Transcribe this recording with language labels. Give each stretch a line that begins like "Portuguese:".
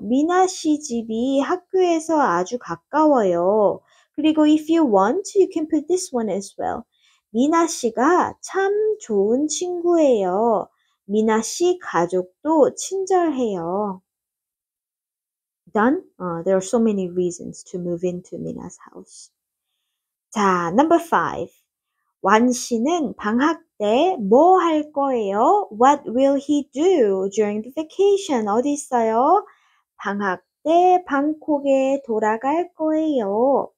Korean: 미나 씨 집이 학교에서 아주 가까워요.
English: 그리고 if you want, you can put this one as well.
Korean: 미나 씨가 참 좋은 친구예요. 미나 씨 가족도 친절해요.
English: Done? There are so many reasons to move into Mina's house. 자, number 5.
Korean: 완 씨는 방학 때 뭐 할 거예요?
English: What will he do during the vacation?
Korean: 어디 있어요? 방학 때 방콕에 돌아갈 거예요.